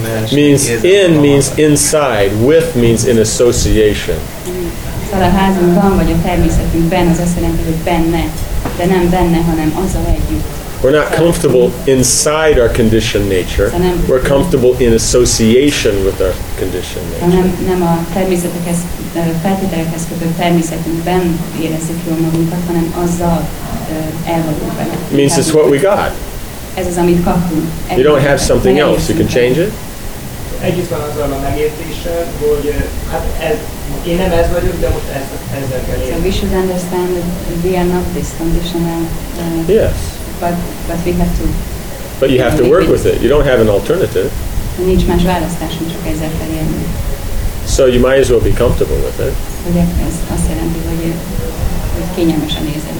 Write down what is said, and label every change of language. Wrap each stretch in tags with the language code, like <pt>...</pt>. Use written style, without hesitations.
<en>Means in means inside, with means in association.</en> <hu>Szóval a házunkban vagy a természetünkben az azt jelenti, hogy benne, de nem benne, hanem azzal együtt.</hu> <en>We're not comfortable inside our conditioned nature. We're comfortable in association with our conditioned nature.</en> <hu>Nem a természetekhez, feltételekhez kötött természetünkben érezzük jól magunkat, hanem azzal elvagyunk benne.</hu> <en>Means it's what we got.</en> <hu>Ez az, amit kapunk.</hu> <en>You don't have something else, you can change it.</en> <hu>Együtt van azzal a megértéssel, hogy hát ez, én nem ez vagyok, de most ezzel kell</hu> <en>élni. So we should understand that we are not this conditional. Yes. But we have to. But you have to work with it. You don't have an alternative.</en> <hu>Nincs más választásunk, csak ezzel kell élni.</hu> <en>So you might as well be comfortable with it.</en> <hu>Ugye ez azt jelenti, hogy kényelmesen érzed.</hu>